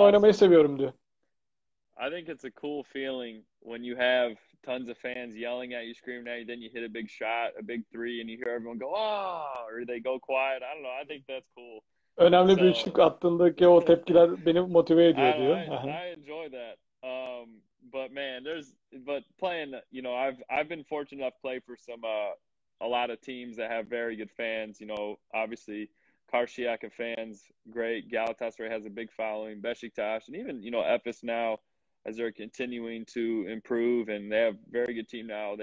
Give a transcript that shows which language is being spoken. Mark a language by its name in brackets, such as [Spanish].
[English] I think it's a cool feeling when you have tons of fans yelling at you, screaming at you, then you hit a big shot, a big three, and you hear everyone go, oh, or they go quiet. I don't know. I think that's cool. [Turkish] Önemli bir üçlük attığındaki o tepkiler beni motive ediyor diyor. [English] I enjoy that. But playing, you know, I've been fortunate enough to play for some a lot of teams that have very good fans. You know, obviously Karşıyaka fans, great. Galatasaray has a big following. Beşiktaş, and even, you know, Efes now, as they're continuing to improve, and they have a very good team now.